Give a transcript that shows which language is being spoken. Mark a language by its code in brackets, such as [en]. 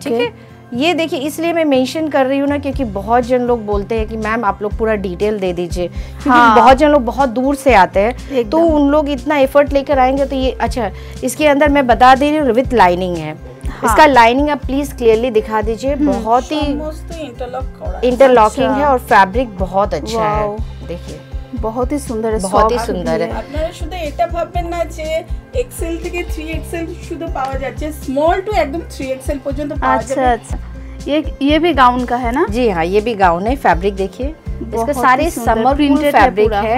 [hi] ठीक है, ये देखिए इसलिए मैं मेंशन कर रही हूँ ना क्योंकि बहुत जन लोग बोलते हैं कि मैम आप लोग पूरा डिटेल दे दीजिए, क्योंकि बहुत जन लोग बहुत दूर से आते हैं तो उन लोग इतना एफर्ट लेकर आएंगे तो ये अच्छा। इसके अंदर मैं बता दे रही हूँ विथ लाइनिंग है। हाँ। इसका लाइनिंग आप प्लीज क्लियरली दिखा दीजिए, बहुत ही इंटरलॉकिंग है और फैब्रिक बहुत अच्छा है, देखिए बहुत ही सुंदर है। [bn] আপনারা শুধু এটা ভাবেন না যে এক্সেল থেকে 3XL শুধু পাওয়া যাচ্ছে, স্মল টু একদম 3XL পর্যন্ত পাওয়া যাচ্ছে। আচ্ছা আচ্ছা, [hi] ये भी गाउन का है ना? जी हाँ, ये भी गाउन है, फैब्रिक देखिए, इसका सारे समर प्रिंटेड फैब्रिक है।